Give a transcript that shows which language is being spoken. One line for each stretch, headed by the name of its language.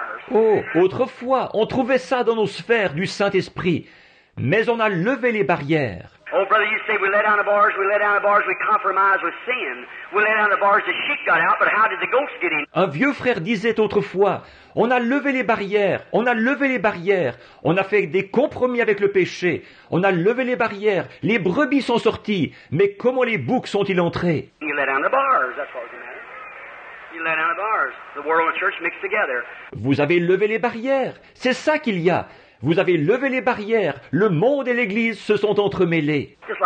French: Oh, autrefois, on trouvait ça dans nos sphères du Saint-Esprit, mais on a levé les barrières.
English: Oh, brother, you say we let down the bars, we let down the bars, we compromise with sin. We let down the bars, the sheep got out, but how did the goats get in?
French: Un vieux frère disait autrefois, on a levé les barrières, on a levé les barrières, on a fait des compromis avec le péché, on a levé les barrières, les brebis sont sorties, mais comment les boucs sont-ils entrés?
English: You let down the bars, that's what we meant. You let down the bars, the world and the church mixed together.
French: Vous avez levé les barrières, c'est ça qu'il y a. Vous avez levé les barrières. Le monde et l'Église se sont entremêlés.